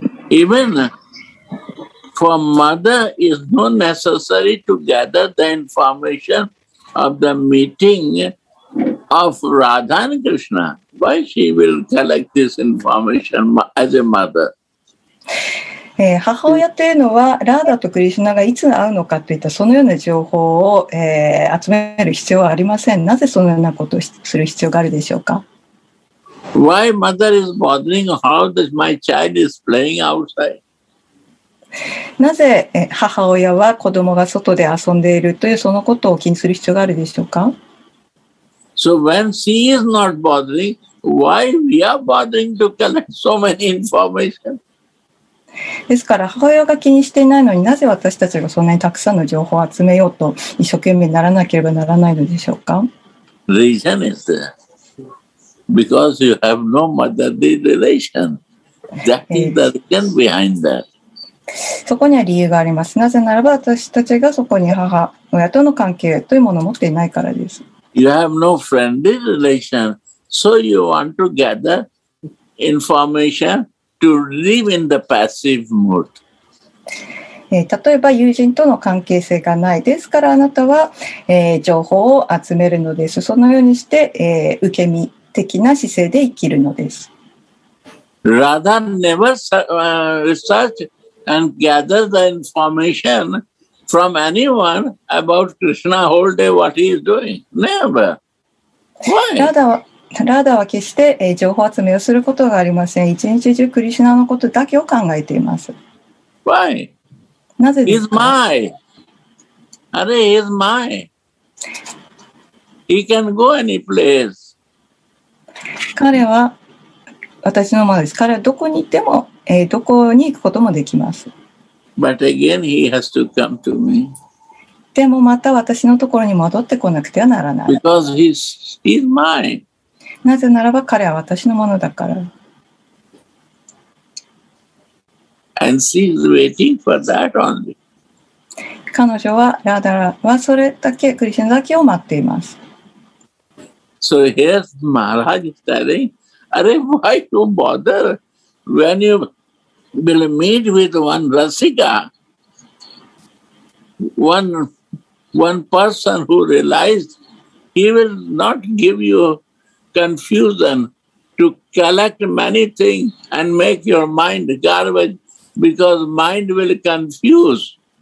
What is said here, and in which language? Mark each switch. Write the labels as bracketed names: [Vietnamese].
[English] Even for mother is not necessary to gather the information of the meeting of Radha and Krishna. Why she will collect this information as a mother? [Japanese] 母親というのはラーダとクリシュナがいつ会うのかといったそのような情報を、集める必要はありません。なぜそのようなことをする必要があるでしょうか。 [English] Why mother is bothering how does my child is playing outside? [Japanese] なぜ母親は子供が外で遊んでいるというそのことを気にする必要があるでしょうか。 [English] So when she is not bothering, why we are bothering to collect so many information? [Japanese] ですから母親が気にしていないのになぜ私たちがそんなにたくさんの情報を集めようと一生懸命にならなければならないのでしょうか。 [English] Reason is there. Because you have no motherly relation. That is the reason behind that. [Japanese] そこには理由があります。なぜならば私たちがそこに母親との関係というものを持っていないからです。 [English] You have no friendly relation. So you want to gather informationTo live in the passive mode. [Japanese] 例えば友人との関係性がない。ですからあなたは、情報を集めるのです。そのようにして、受け身的な姿勢で生きるのです。 [English] Radha never research and gather the information from anyone about Krishna whole day what he is doing. Never. Why? [Japanese] ラーダは決して情報集めをすることがありません。一日中クリシュナのことだけを考えています。 Why? なぜですか? [English] He's my. Are he's my. He can go any place. [Japanese] 彼は私のものです。彼はどこに行っても、どこに行くこともできます。 [English] But again, he has to come to me. [Japanese] でもまた私のところに戻ってこなくてはならない。 [English] Because he's mine. [Japanese] なぜならば彼は私のものだから。 [English] And she's waiting for that only. [Japanese] 彼女は、ラダラはそれだけ、クリシュナだけを待っています。 [English] So here's Maharaj telling, Are why you bother when you will meet with one rasika, one person who realized, he will not give you confusion to collect many things and make your mind garbage, because mind will confuse.